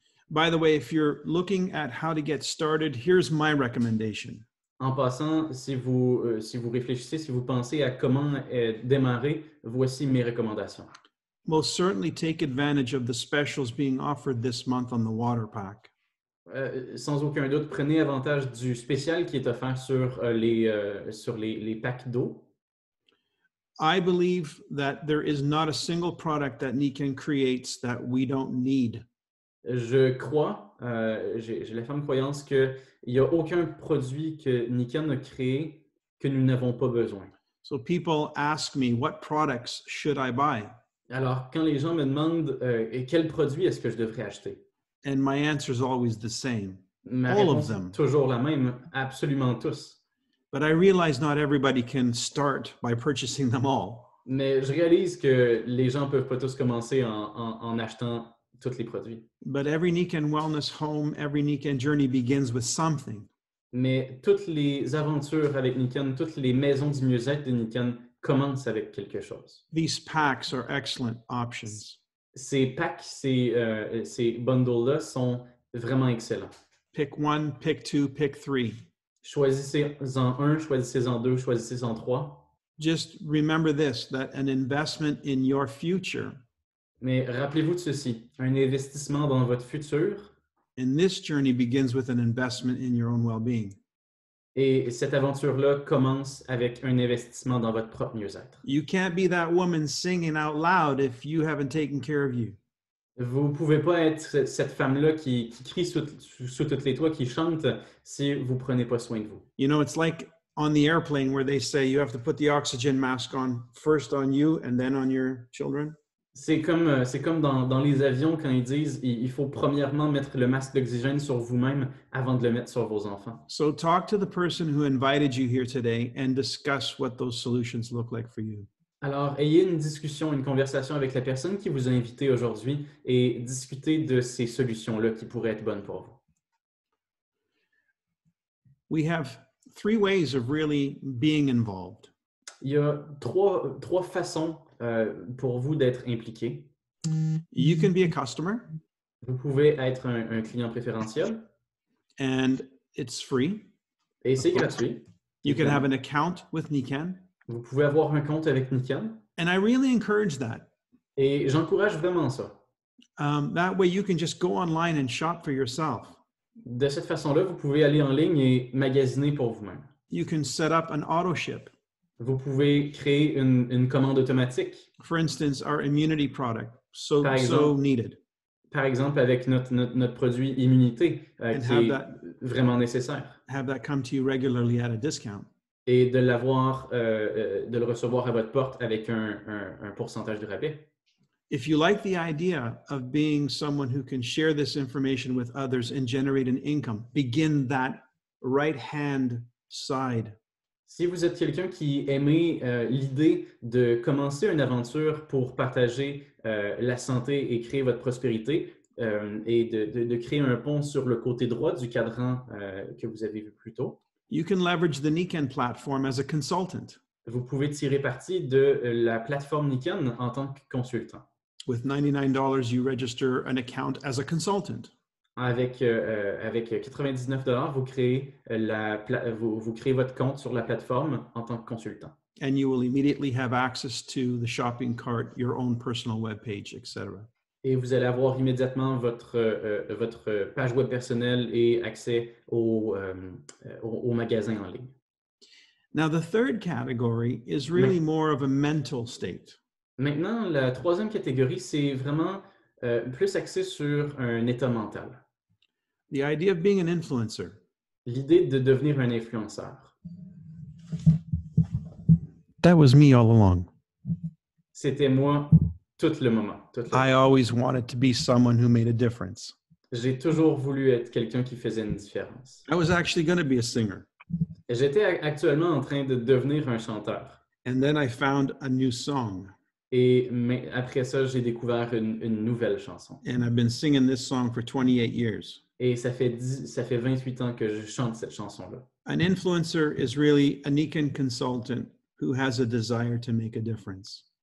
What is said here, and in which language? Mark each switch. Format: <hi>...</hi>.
<en>By the way, if you're looking at how to get started, here's my recommendation.</en> <fr>En passant, si vous réfléchissez, si vous pensez à comment démarrer, voici mes recommandations.</fr> <en>Most certainly take advantage of the specials being offered this month on the water pack.</en> <fr>Sans aucun doute, prenez avantage du spécial qui est offert sur les packs d'eau.</fr> <en>I believe that there is not a single product that Niken creates that we don't need.</en> <fr>Je crois, j'ai la ferme croyance qu'il n'y a aucun produit que Niken a créé que nous n'avons pas besoin.</fr> <en>So people ask me, what products should I buy?</en> <fr>Alors, quand les gens me demandent, quel produit est-ce que je devrais acheter?</fr> <en>And my answer is always the same.</en> <fr>Ma</fr> <en>All of them.</en> <fr>Toujours la même, absolument tous.</fr> <en>But I realize not everybody can start by purchasing them all.</en> <fr>Mais je réalise que les gens peuvent pas tous commencer en achetant tous les produits.</fr> <en>But every Niken wellness home, every Niken journey begins with something.</en> <fr>Mais toutes les aventures avec Niken, toutes les maisons du mieux-être de Niken commencent avec quelque chose.</fr> <en>These packs are excellent options.</en> <fr>Ces packs, ces bundles-là sont vraiment excellents.</fr> <en>Pick one, pick two, pick three.</en> <fr>Choisissez-en un, choisissez-en deux, choisissez-en trois.</fr> <en>Just remember this, that an investment in your future.</en> <fr>Mais rappelez-vous de ceci, un investissement dans votre futur.</fr> <en>And this journey begins with an investment in your own well-being.</en> <fr>Et cette aventure-là commence avec un investissement dans votre propre mieux-être.</fr> <en>You can't be that woman singing out loud if you haven't taken care of you.</en> <fr>Vous ne pouvez pas être cette femme-là qui crie sous toutes les toits, qui chante, si vous ne prenez pas soin de vous.</fr> <en>You know, it's like on the airplane where they say you have to put the oxygen mask on first on you and then on your children.</en> <fr>C'est comme dans les avions quand ils disent il faut premièrement mettre le masque d'oxygène sur vous-même avant de le mettre sur vos enfants.</fr> <en>So talk to the person who invited you here today and discuss what those solutions look like for you.</en> <fr>Alors, ayez une discussion, une conversation avec la personne qui vous a invité aujourd'hui et discutez de ces solutions-là qui pourraient être bonnes pour vous.</fr> <en>We have three ways of really being involved.</en> <fr>Il y a trois façons pour vous d'être impliqué.</fr> <en>You can be a customer.</en> <fr>Vous pouvez être un client préférentiel.</fr> <en>And it's free.</en> <fr>Et c'est gratuit.</fr> <en>You can have an account with Niken.</en> <fr>Vous pouvez avoir un compte avec Niken.</fr> <en>And I really encourage that.</en> <fr>Et j'encourage vraiment ça.</fr> <en>That way you can just go online and shop for yourself.</en> <fr>De cette façon-là, vous pouvez aller en ligne et magasiner pour vous-même.</fr> <en>You can set up an auto ship.</en> <fr>Vous pouvez créer une commande automatique.</fr> <en>For instance, our immunity product, so needed.</en> <fr>Par exemple, avec notre produit immunité, qui est vraiment nécessaire.</fr> <en>Have that come to you regularly at a discount.</en> <fr>Et de l'avoir, de le recevoir à votre porte avec un pourcentage de rabais.</fr> <en>If you like the idea of being someone who can share this information with others and generate an income, begin that right-hand side.</en> <fr>Si vous êtes quelqu'un qui aimait l'idée de commencer une aventure pour partager la santé et créer votre prospérité, et de créer un pont sur le côté droit du cadran que vous avez vu plus tôt.</fr> <en>You can leverage the Niken platform as a consultant.</en> <fr>Vous pouvez tirer parti de la plateforme Niken en tant que consultant.</fr> <en>With $99, you register an account as a consultant.</en> <fr>Avec $99, vous créez votre compte sur la plateforme en tant que consultant.</fr> <en>And you will immediately have access to the shopping cart, your own personal webpage, etc.</en> <fr>Et vous allez avoir immédiatement votre page web personnelle et accès au magasin en ligne.</fr> <en>Now the third category is really more of a mental state.</en> <fr>Maintenant, la troisième catégorie, c'est vraiment plus axé sur un état mental.</fr> <en>The idea of being an influencer.</en> <fr>L'idée de devenir un influenceur.</fr> <en>That was me all along.</en> <fr>C'était moi tout le moment. Tout le</fr> <en>I always wanted to be someone who made a difference.</en> <fr>J'ai toujours voulu être quelqu'un qui faisait une différence.</fr> <en>I was actually going to be a singer.</en> <fr>Et j'étais actuellement en train de devenir un chanteur.</fr> <en>And then I found a new song.</en> <fr>Et mais après ça, j'ai découvert une nouvelle chanson.</fr> <en>And I've been singing this song for 28 years.</en> <fr>Et ça fait 28 ans que je chante cette chanson-là.</fr> <en>An influencer is really a niche consultant who has a desire to make a difference.</en>